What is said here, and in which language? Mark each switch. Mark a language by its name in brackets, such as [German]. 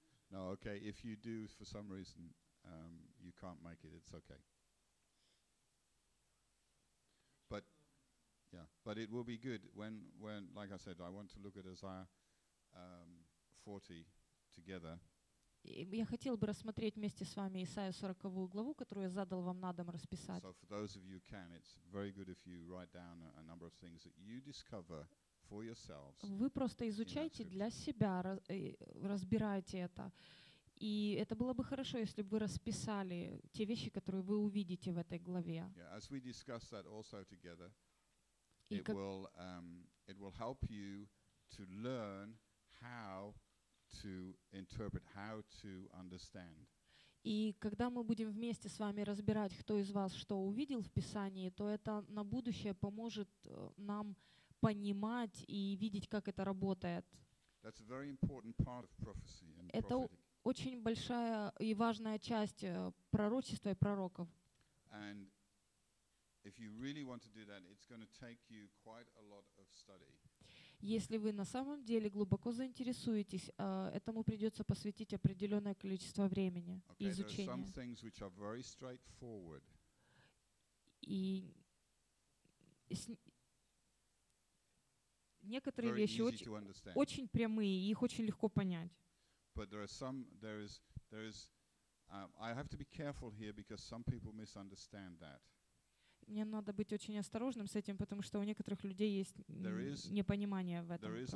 [English] No, okay, if you do for some reason you can't make it, it's okay. But yeah, but it will be good when like I said, I want to look at Isaiah 40 together. [Russian] Я хотел бы рассмотреть вместе с вами Исаию 40 главу, которую я задал вам на дом расписать. [English] So for those of you who can, it's very good if you write down a number of things that you discover for yourselves. [Russian] Вы просто изучайте для себя, разбирайте это. И это было бы хорошо, если бы вы расписали те вещи, которые вы увидите в этой главе. [English] Yeah, as we discuss that also together, it will help you to learn how to interpret, how to understand. [Russian] И когда мы будем вместе с вами разбирать, кто из вас что увидел в Писании, то это на будущее поможет нам понимать и видеть, как это работает. [English] That's a very important part of prophecy and prophetic. [Russian] Это очень большая и важная часть пророчества и пророков. [English] And if you really want to do that, it's going to take you quite a lot of study. [Russian] Если вы на самом деле глубоко заинтересуетесь, этому придется посвятить определенное количество времени и okay, изучения. [English] There are some things which are very straightforward. [Russian] И некоторые [English] very [Russian] вещи очень прямые, их очень легко понять. [English] But there are some, there is, I have to be careful here because some people misunderstand that. [Russian] Мне надо быть очень осторожным с этим, потому что у некоторых людей есть непонимание в этом